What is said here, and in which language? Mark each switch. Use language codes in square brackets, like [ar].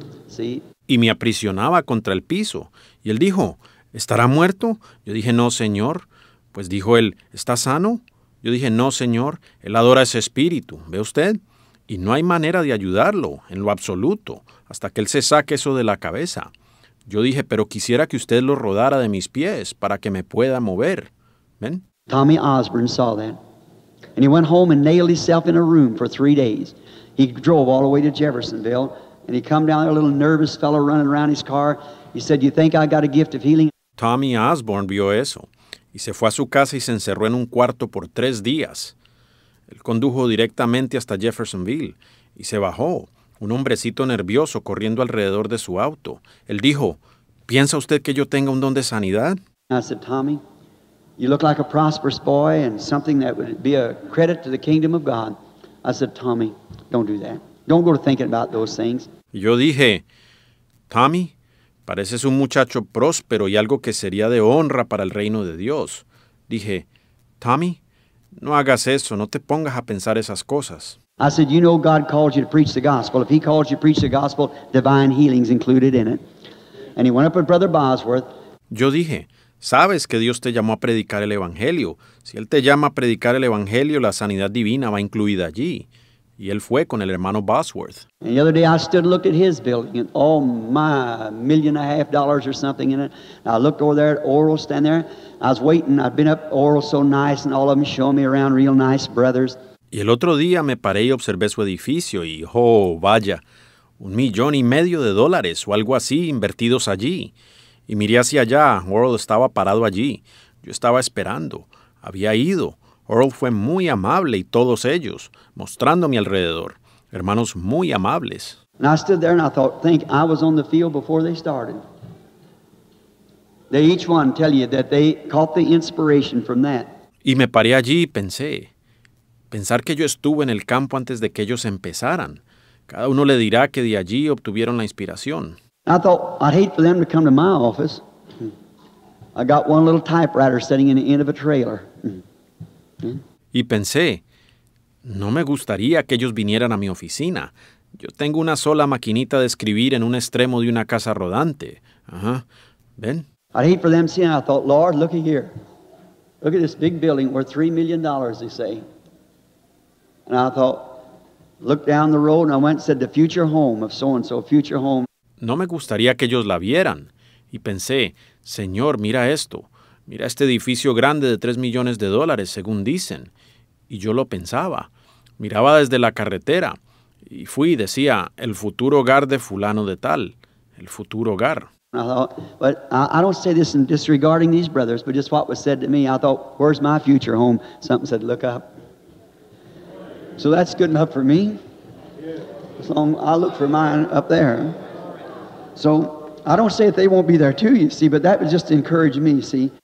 [en] See? [es] Y me aprisionaba contra el piso. Y él dijo, ¿estará muerto? Yo dije, no, señor. Pues dijo él, ¿está sano? Yo dije, no, señor. Él adora ese espíritu, ¿ve usted? Y no hay manera de ayudarlo en lo absoluto hasta que él se saque eso de la cabeza. Yo dije, pero quisiera que usted lo rodara de mis pies para que me pueda mover. [en] Men? Tommy Osborne saw that, and he went home and nailed himself in a room for 3 days. He drove all the way to Jeffersonville, and he come down there, a little nervous fellow running around his car. He said, you think I got a gift of healing? [es] Tommy Osborne vio eso, y se fue a su casa y se encerró en un cuarto por 3 días. Él condujo directamente hasta Jeffersonville, y se bajó, un hombrecito nervioso corriendo alrededor de su auto. Él dijo, ¿piensa usted que yo tenga un don de sanidad? [en] I said, Tommy, you look like a prosperous boy and something that would be a credit to the kingdom of God. I said, Tommy, don't do that. Don't go to thinking about those things. [es] Yo dije, Tommy, pareces un muchacho próspero y algo que sería de honra para el reino de Dios. Dije, Tommy, no hagas eso. No te pongas a pensar esas cosas. [en] I said, you know God calls you to preach the gospel. If he calls you to preach the gospel, divine healing's included in it. And he went up with Brother Bosworth. [es] Yo dije, sabes que Dios te llamó a predicar el Evangelio. Si Él te llama a predicar el Evangelio, la sanidad divina va incluida allí. Y Él fue con el hermano Bosworth. [en] And the other day I stood and looked at his building, and oh my, $1.5 million or something in it. And I looked over there at Oral standing there. I was waiting. I'd been up Oral so nice, and all of them showed me around real nice brothers. [es] Y el otro día me paré y observé su edificio, y oh vaya, $1.5 million o algo así invertidos allí. Y miré hacia allá. Oral estaba parado allí. Yo estaba esperando. Había ido. Oral fue muy amable y todos ellos, mostrándome alrededor. Hermanos muy amables. [en] And I stood there and I thought, think, I was on the field before they started. They each one tell you that they caught the inspiration from that. [es] Y me paré allí y pensé. Pensar que yo estuve en el campo antes de que ellos empezaran. Cada uno le dirá que de allí obtuvieron la inspiración. [en] I thought I'd hate for them to come to my office. I got one little typewriter sitting in the end of a trailer. [es] Y pensé, no me gustaría que ellos vinieran a mi oficina. Yo tengo una sola maquinita de escribir en un extremo de una casa rodante. ¿Ven? [en] I'd hate for them to see, and I thought, Lord, look here. Look at this big building worth $3 million, they say. And I thought, look down the road, and I went and said, the future home of so-and-so, future home. [es] No me gustaría que ellos la vieran. Y pensé, Señor, mira esto. Mira este edificio grande de $3 millones, según dicen. Y yo lo pensaba. Miraba desde la carretera. Y fui y decía, el futuro hogar de fulano de tal. El futuro hogar. [en] I thought, but I don't say this in disregarding these brothers, but just what was said to me. I thought, where's my future home? Something said, look up. So that's good enough for me. So I look for mine up there. So I don't say that they won't be there too, you see, but that would just encourage me, you see.